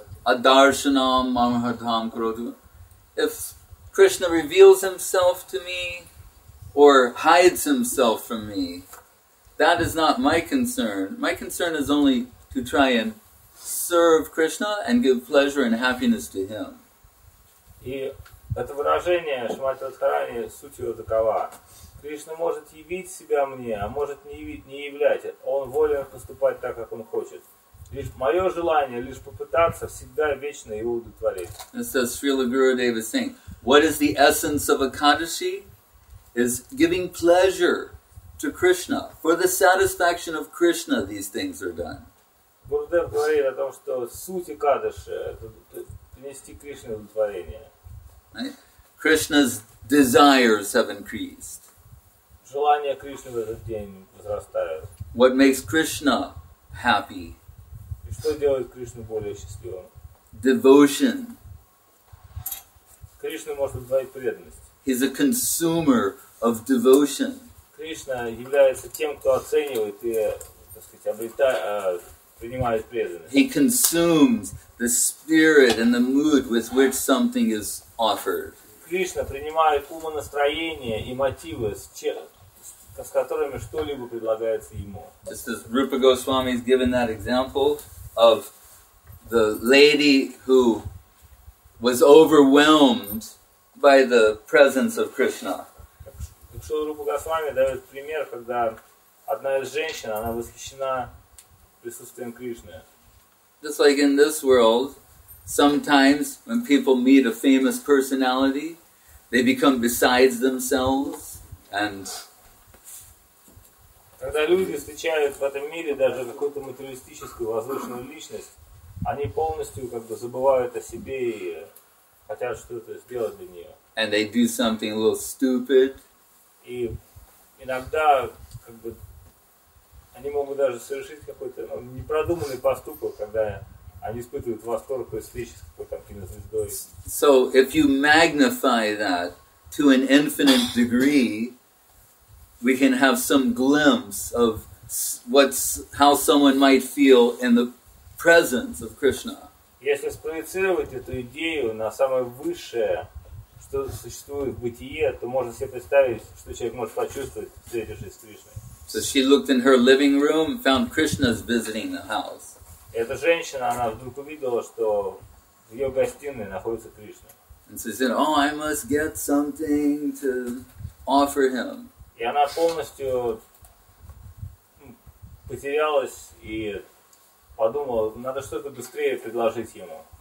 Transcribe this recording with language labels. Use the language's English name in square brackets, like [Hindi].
[Sanskrit] Adarshanam mamahatam krodhu. [English] If Krishna reveals himself to me or hides himself from me, that is not my concern. My concern is only to try and serve Krishna and give pleasure and happiness to him. And this [Russian] выражение Шримати Радхарани, суть его такова. Кришна может явить себя мне, а может не явить, не являть. Он волен поступать так, как он хочет. Лишь мое желание, лишь попытаться, всегда вечно его удовлетворить. [English] It says Srila Gurudev is saying, what is the essence of Ekadashi? Is giving pleasure to Krishna. For the satisfaction of Krishna these things are done. [Russian] Гурудев говорит о том, что суть Экадаши – это принести Кришне удовлетворение. [English] Right? Krishna's desires have increased. [Russian] Желания Кришны в этот день возрастают. [English] What makes Krishna happy? [Russian] И что делает Кришну более счастливым? [English] Devotion. [Russian] Кришна может удвоить преданность. [English] He's a consumer of devotion. [Russian] Кришна является тем, кто оценивает и, так сказать, принимает преданность. [English] He consumes the spirit and the mood with which something is offered. [Russian] Кришна принимает умонастроение и мотивы с чем. С которыми что-либо предлагается ему. [English] Just as Rupa Goswami has given that example of the lady who was overwhelmed by the presence of Krishna. [Russian] Так что Рупа Госвами дает пример, когда одна из женщин, она восхищена присутствием Кришны. [English] Just like in this world, sometimes when people meet a famous personality, they become besides themselves and [Russian] когда люди встречают в этом мире даже какую-то материалистическую возвышенную личность, они полностью как бы забывают о себе и хотят что-то сделать для нее. [English] And they do something a little stupid. [Russian] И иногда как бы они могут даже совершить какой-то непродуманный поступок, когда они испытывают восторг при встрече с какой-то кинозвездой. [English] So if you magnify that to an infinite degree, we can have some glimpse of how someone might feel in the presence of Krishna. [Russian] Если спроецировать эту идею на самое высшее, что существует в бытие, то можно себе представить, что человек может почувствовать, встретившись с Кришной. [English] So she looked in her living room and found Krishna's visiting the house. [Russian] Эта женщина, она вдруг увидела, что в ее гостиной находится Кришна. [English] And she said, oh, I must get something to offer him. [Russian] И она полностью потерялась и подумала, надо что-то быстрее предложить ему.